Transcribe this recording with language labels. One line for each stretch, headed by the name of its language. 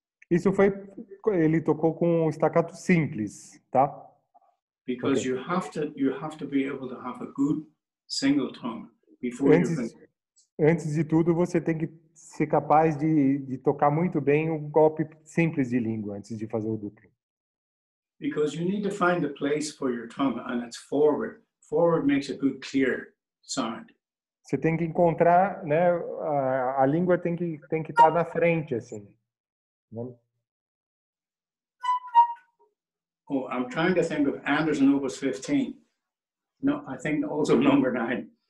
Portuguese: Isso foi, ele tocou com um staccato simples, tá?
English: Because okay. you have to be able to have a good single tone before
Portuguese: antes,
English: you can...
Portuguese: Antes de tudo, você tem que ser capaz de tocar muito bem um golpe simples de língua antes de fazer o duplo.
English: Because you need to find a place for your tongue and it's forward. Forward makes a good clear sound.
Portuguese: Você tem que encontrar, né, a língua tem que estar na frente, assim. Né?
English: Oh, I'm trying to think of Anderson Opus 15. No, I think also number 9.